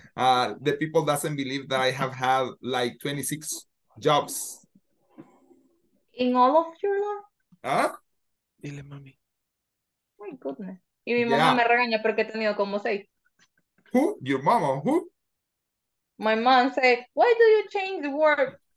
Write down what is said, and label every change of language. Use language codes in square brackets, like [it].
[en] The people doesn't believe that I have had like 26 jobs. In all of your life? Huh? [es] Dile, mami. [en] My goodness. [es] Y mi mamá me regaña porque he tenido como seis. [en] Who? Your mama? Who? My mom say, why do you change the word?